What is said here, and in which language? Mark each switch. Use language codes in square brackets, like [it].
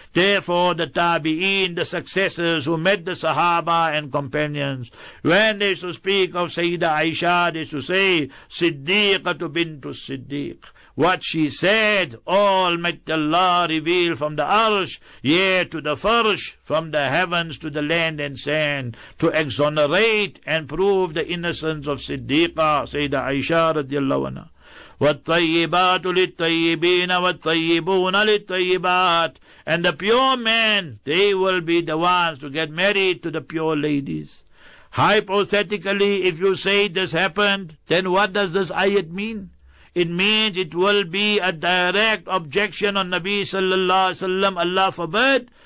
[en] Therefore, the Tabi'een, the successors who met the Sahaba and companions, when they used to speak of Sayyida Aisha, they used to say, [ar] Siddiqa tu bintu Siddiq. [en] What she said, all might Allah reveal from the arsh, yea, to the farsh, from the heavens to the land and sand, to exonerate and prove the innocence of Siddiqa, Sayyida Aisha radiallahu anha. [ar] والطيبات للطيبين والطيبون للطيبات. [en] And the pure men, they will be the ones to get married to the pure ladies. Hypothetically, if you say this happened, then what does this ayat mean? It means it will be a direct objection on Nabi sallallahu alaihi wasallam. Allah forbid.